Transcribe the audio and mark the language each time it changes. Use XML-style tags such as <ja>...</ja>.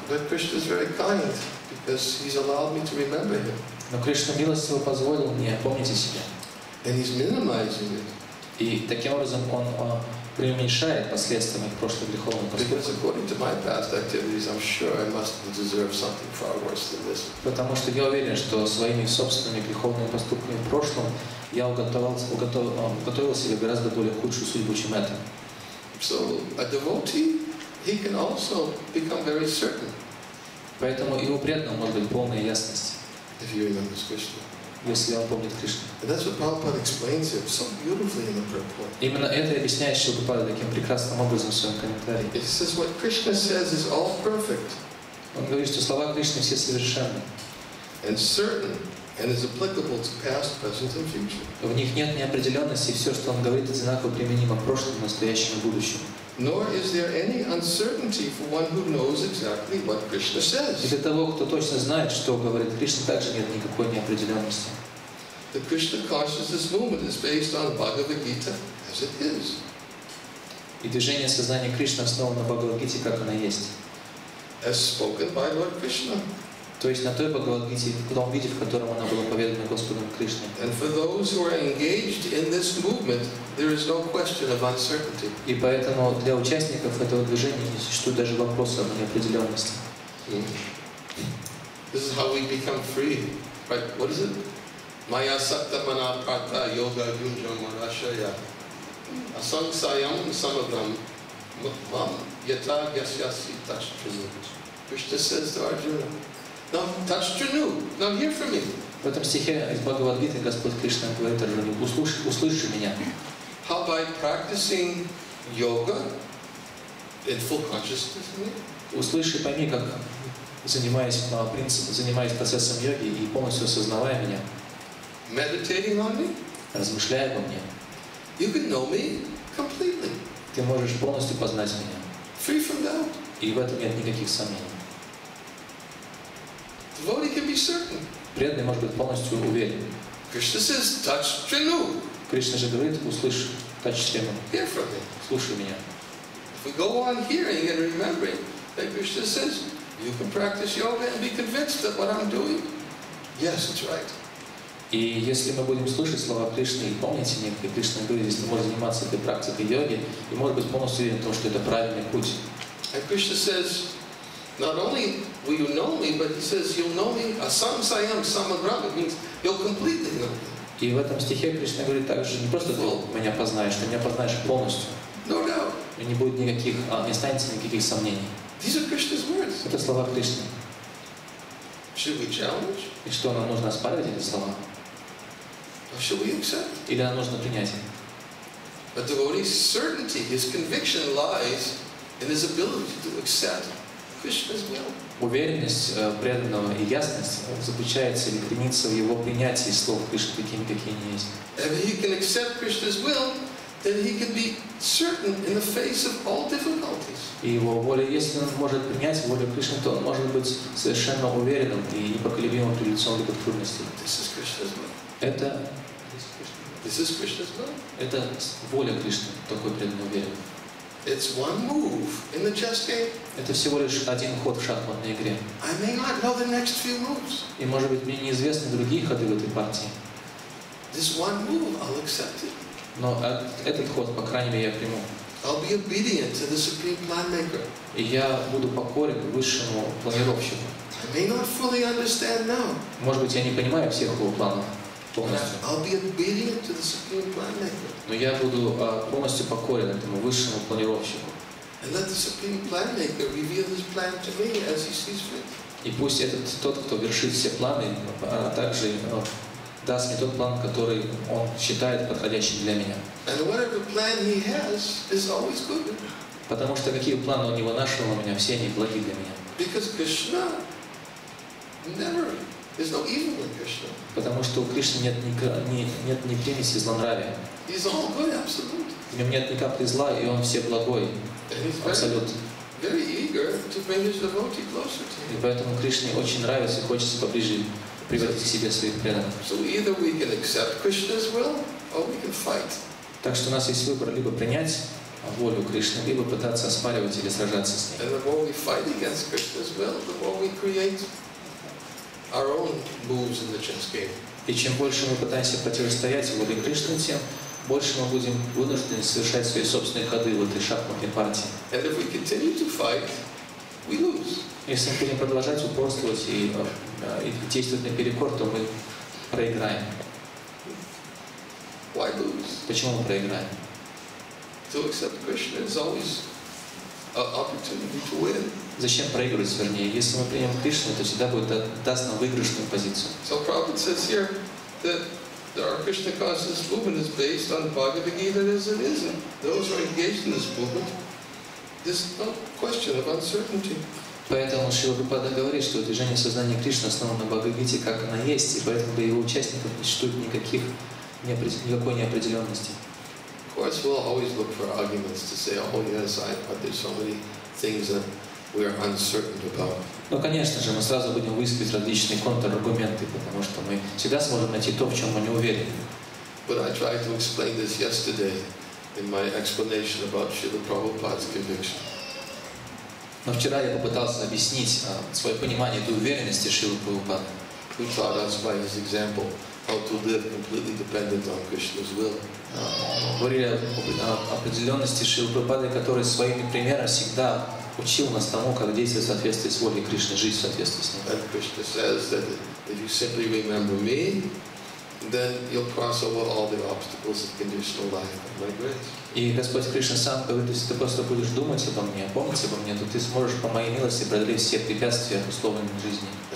<en>But Krishna is very kind because he's allowed me to remember him.</en> <ru>Но Кришна милостиво позволил мне помнить о себе.</ru> <en>And he's minimizing it.</en> <ru>И таким образом он преуменьшает последствия моих прошлых греховных поступков. Потому что я уверен, что своими собственными греховными поступками в прошлом я уготовил себе гораздо более худшую судьбу, чем это.</ru> <en>So a devotee, he can also become very certain.</en> <ru>Поэтому и у преданного может быть полная ясность.</ru> <en>If he remembers Krishna.</en> <ru>Если он помнит Кришну.</ru> <en>And that's what Prabhupada explains here so beautifully in the purport.</en> <ru>Именно это объясняет Шилупада таким прекрасным образом в своем комментарии.</ru> <en>He says what Krishna says is all perfect.</en> <ru>Он говорит, что слова Кришны все совершенны.</ru> <en>And certain, and is applicable to past, present, and future.</en> <ru>В них нет неопределенности, и все, что он говорит, одинаково применимо прошлому, настоящему, будущему.</ru> <en>Nor is there any uncertainty for one who knows exactly what Krishna says.</en> <ru>Для того, кто точно знает, что говорит Кришна, также нет никакой неопределенности.</ru> <en>The Krishna consciousness movement is based on Bhagavad Gita as it is.</en> <ru>И движение сознания Кришны основано на Бхагавад Гите, как она есть.</ru> <en>As spoken by Lord Krishna.</en> <ru>То есть на той Бхагавад Гите, в том виде, в котором она была поведана Господом Кришной.</ru> <en>And for those who are engaged in this movement, there is no question of uncertainty.</en> <ru>И поэтому для участников этого движения не существует даже вопроса об неопределенности.</ru> <en>This is how we become free. Right? What is it?</en> <sa>Maya sakta mana pata yoga yunjam marashaya. Asang sayam samadam mutmam yata gyasyasi tashtrinu.</sa> <en>Krishna says to Arjuna, now tashtrinu, now hear from me.</en> <ru>В этом стихе из Бхагавад-гиты Господь Кришна говорит Арджуне, услышь меня.</ru> <en>How by practicing yoga in full consciousness?</en> <ru>Услыши, пойми, как занимаясь процессом йоги и полностью осознавая меня.</ru> <en>Meditating on me?</en> <ru>Размышляя обо мне.</ru> <en>You can know me completely.</en> <ru>Ты можешь полностью познать меня.</ru> <en>Free from doubt.</en> <ru>И в этом нет никаких сомнений.</ru> <en>Devotee can be certain.</en> <ru>Преданный может быть полностью уверен.</ru> <en>Krishna says, touch trinu.</en> <ru>Кришна же говорит, услышь,</ru> <sa>touch trinu.</sa> <ru>Слушай меня.</ru> <en>If we go on hearing and remembering that Krishna says, you can practice yoga and be convinced that what I'm doing, yes, it's right.</en> <ru>И если мы будем слушать слова Кришны и помнить о них, и Кришна говорит, если можешь заниматься этой практикой йоги, и может быть полностью уверен в том, что это правильный путь.</ru> <en>And Krishna says, not only will you know me, but he says, you'll know me,</en> <sa>asam sayam samagram,</sa> <en>it means you'll completely know me.</en> <ru>И в этом стихе Кришна говорит также, не просто ты меня познаешь, ты меня познаешь полностью.</ru> <en>No doubt.</en> <ru>И не будет никаких, не останется никаких сомнений.</ru> <en>These are Krishna's words.</en> <ru>Это слова Кришны.</ru> <en>Should we challenge?</en> <ru>И что, нам нужно оспаривать эти слова?</ru> <en>Or should we accept?</en> <ru>Или нам нужно принять?</ru> <en>But the devotee's certainty, his conviction lies in his ability to accept Krishna's will.</en> <ru>Уверенность преданного и ясность заключается или кремится в его принятии слов Кришны такими, какие они есть.</ru> <en>If he can accept Krishna's will, then he can be certain in the face of all difficulties.</en> <ru>И его воля, если он может принять волю Кришны, то он может быть совершенно уверенным и непоколебимым при лицом любых трудностей.</ru> <en>This is Krishna's will.</en> <ru>Это</ru> <en>This is Krishna's will.</en> <ru>Это воля Кришны, такой преданный уверен.</ru> <en>It's one move in the chess game.</en> <ru>Это всего лишь один ход в шахматной игре.</ru> <en>I may not know the next few moves.</en> <ru>И, может быть, мне неизвестны другие ходы в этой партии.</ru> <en>This one move, I'll accept it.</en> <ru>Но этот ход, по крайней мере, я приму.</ru> <en>I'll be obedient to the supreme plan maker.</en> <ru>И я буду покорен высшему планировщику.</ru> <en>I may not fully understand now.</en> <ru>Может быть, я не понимаю всех его планов.</ru> <en>I'll be obedient to the supreme plan maker.</en> <ru>Но я буду полностью покорен этому высшему планировщику.</ru> <en>And let the supreme plan maker reveal his plan to me as he sees fit.</en> <ru>И пусть этот тот, кто вершит все планы, также даст мне тот план, который он считает подходящим для меня.</ru> <en>And whatever plan he has is always good.</en> <ru>Потому что какие планы у него нашел у меня, все они благи для меня.</ru> <en>Because Krishna never. There's no evil in Krishna.</en> <ru>Потому что у Кришны нет ни примеси злонравия.</ru> <en>He's all good, absolute.</en> <ru>В нем нет ни капли зла, и он все благой, абсолют.</ru> <en>Very eager to bring his devotee closer to him.</en> <ru>И поэтому Кришне очень нравится и хочется поближе привести к себе своих преданных.</ru> <en>So either we can accept Krishna's will, or we can fight.</en> <ru>Так что у нас есть выбор: либо принять волю Кришны, либо пытаться оспаривать или сражаться с ним.</ru> <en>And the more we fight against Krishna's will, the more we create our own moves in the chess game.</en> <ru>И чем больше мы пытаемся противостоять воле Кришны, тем больше мы будем вынуждены совершать свои собственные ходы в этой шахматной партии.</ru> <en>And if we continue to fight, we lose.</en> <ru>Если мы будем продолжать упорствовать и действовать наперекор, то мы проиграем.</ru> <en>Why lose?</en> <ru>Почему мы проиграем?</ru> <en>To accept Krishna is always an opportunity to win.</en> <ru>Зачем проигрывать, вернее? Если мы примем Кришну, то всегда будет даст нам выигрышную позицию.</ru> <en>So Prabhupada says here that there are Krishna conscious movement is based on Bhagavad Gita as it is, and those who are engaged in this movement, there's no question of uncertainty.</en> <ru>Поэтому Шрила Прабхупада говорит, что движение сознания Кришны основано на Бхагавад-гите, как оно есть, и поэтому для его участников не существует никаких, никакой неопределенности.</ru> <en>Of course, we'll always look for arguments to say, oh yes, I, but there's so many things that we are uncertain about.</en> <ru>Ну, конечно же, мы сразу будем выискивать различные контраргументы, потому что мы всегда сможем найти то, в чем мы не уверены.</ru> <en>But I tried to explain this yesterday in my explanation about Srila Prabhupada's conviction.</en> <ru>Но вчера я попытался объяснить свое понимание этой уверенности Шрилы Прабхупады.</ru> <en>He taught us by his example how to live completely dependent on Krishna's will.</en> <ru>Говорили определенности Шрилы Прабхупады, который своим примером всегда учил нас тому, как действовать в соответствии с волей Кришны, жить в соответствии с ним.</ru> <en>And Krishna says that if you simply remember me, then you'll cross over all the obstacles of conditional life and my grace.</en> <ru>И Господь Кришна сам говорит, если ты просто будешь думать обо мне, помнить обо мне, то ты сможешь по моей милости преодолеть все препятствия условной жизни.</ru>